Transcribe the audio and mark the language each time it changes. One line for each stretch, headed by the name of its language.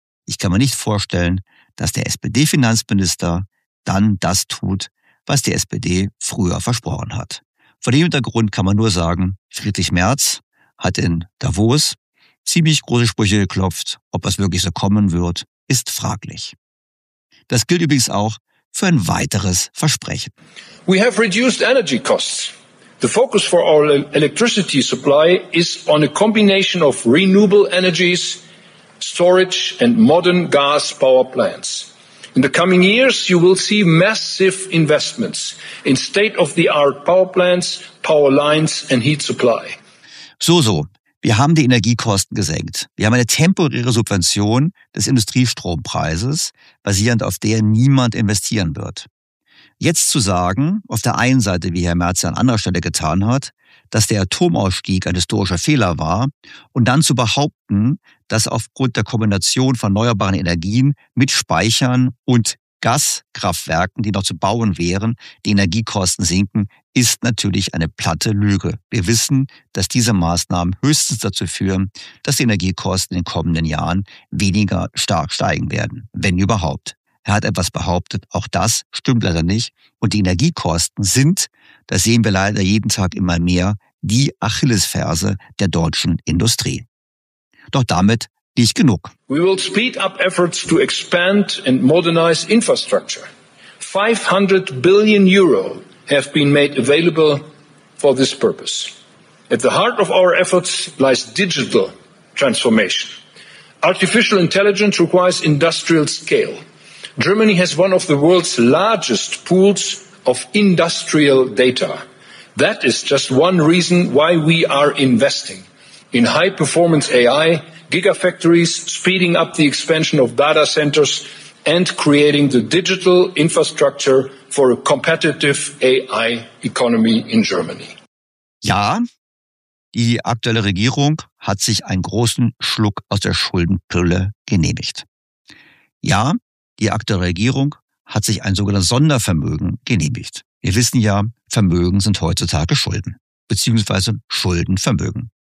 German: Ich kann mir nicht vorstellen, dass der SPD-Finanzminister dann das tut, was die SPD früher versprochen hat. Vor dem Hintergrund kann man nur sagen, Friedrich Merz hat in Davos ziemlich große Sprüche geklopft. Ob es wirklich so kommen wird, ist fraglich. Das gilt übrigens auch für ein weiteres Versprechen.
English: We have reduced energy costs. The focus for our electricity supply is on a combination of renewable energies, storage and modern gas power plants. In the coming years, you will see massive investments in state-of-the-art power plants, power lines and heat supply.
German: So. Wir haben die Energiekosten gesenkt. Wir haben eine temporäre Subvention des Industriestrompreises, basierend auf der niemand investieren wird. Jetzt zu sagen, auf der einen Seite, wie Herr Merz an anderer Stelle getan hat, dass der Atomausstieg ein historischer Fehler war und dann zu behaupten, dass aufgrund der Kombination von erneuerbaren Energien mit Speichern und Gaskraftwerken, die noch zu bauen wären, die Energiekosten sinken, ist natürlich eine platte Lüge. Wir wissen, dass diese Maßnahmen höchstens dazu führen, dass die Energiekosten in den kommenden Jahren weniger stark steigen werden, wenn überhaupt. Er hat etwas behauptet, auch das stimmt leider nicht. Und die Energiekosten sind, das sehen wir leider jeden Tag immer mehr, die Achillesferse der deutschen Industrie. Doch damit nicht genug.
English: We will speed up efforts to expand and modernize infrastructure. 500 billion euro have been made available for this purpose. At the heart of our efforts lies digital transformation. Artificial intelligence requires industrial scale. Germany has one of the world's largest pools of industrial data. That is just one reason why we are investing in high-performance AI, gigafactories, speeding up the expansion of data centers and creating the digital infrastructure for a competitive AI economy in Germany.
German: Ja, die aktuelle Regierung hat sich einen großen Schluck aus der Schuldenpille genehmigt. Ja, die aktuelle Regierung hat sich ein sogenanntes Sondervermögen genehmigt. Wir wissen ja, Vermögen sind heutzutage Schulden, beziehungsweise Schuldenvermögen.